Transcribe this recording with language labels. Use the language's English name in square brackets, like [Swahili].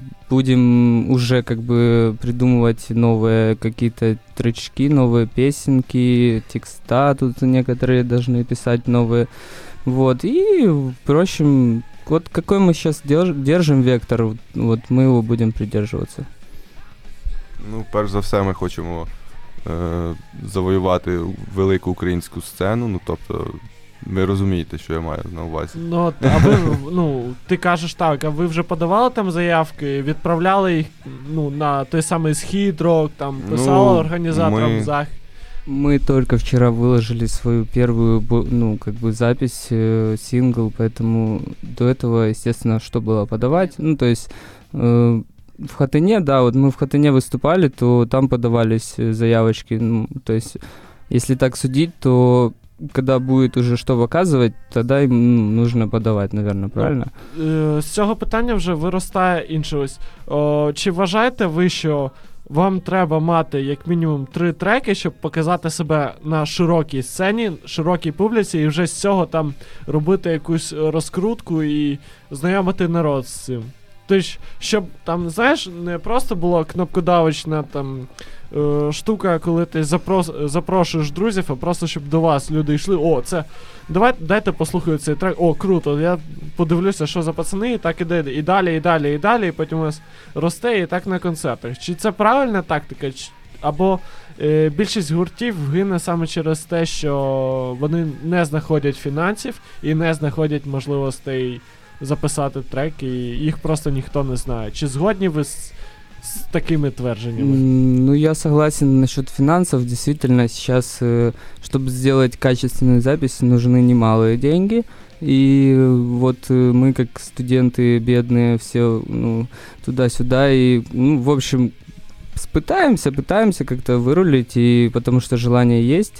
[Russian] Будем уже как бы придумывать новые какие-то тречки, новые песенки, текста тут некоторые должны писать новые. Вот, и, впрочем, вот какой мы сейчас держим вектор, вот мы его будем придерживаться. [Ukrainian] Ну, перш за все, ми хочемо завоювати велику українську сцену, ну, тобто, ви розумієте, що я маю на увазі. Ну, аби, ну, ти кажеш так, а ви вже подавали там заявки, відправляли їх, ну, на той самий схід, рок, там, писали, ну, організаторам захід? [Russian] Мы только вчера выложили свою первую, ну, как бы, запись, сингл, поэтому до этого, естественно, что было подавать? Ну, то есть, в Хатыне, да, вот мы в Хатыне выступали, то там подавались заявочки, ну, то есть, если так судить, то когда будет уже что показывать, тогда им нужно подавать, наверное, правильно? [Ukrainian] З цього питання вже виростає інше ось. Чи вважаєте ви, що... Вам треба мати як мінімум 3 треки, щоб показати себе на широкій сцені, широкій публіці, і вже з цього там робити якусь розкрутку і знайомити народ з цим. Тож, щоб там, знаєш, не просто була кнопкодавочна там штука, коли ти запрошуєш друзів, а просто щоб до вас люди йшли. О, це. Дайте послухаю цей трек. О, круто. Я подивлюся, що за пацани, і так іде. І далі, і далі, і далі, і потім у нас росте, і так на концертах. Чи це правильна тактика? Або більшість гуртів гине саме через те, що вони не знаходять фінансів і не знаходять можливостей записати трек, і їх просто ніхто не знає. Чи згодні ви з такими твердженнями? [Russian] Ну, я согласен насчет финансов. Действительно, сейчас, чтобы сделать качественную запись, нужны немалые деньги. И вот мы, как студенты бедные, все, ну, туда-сюда. И, ну, в общем, пытаемся как-то вырулить, и потому что желание есть.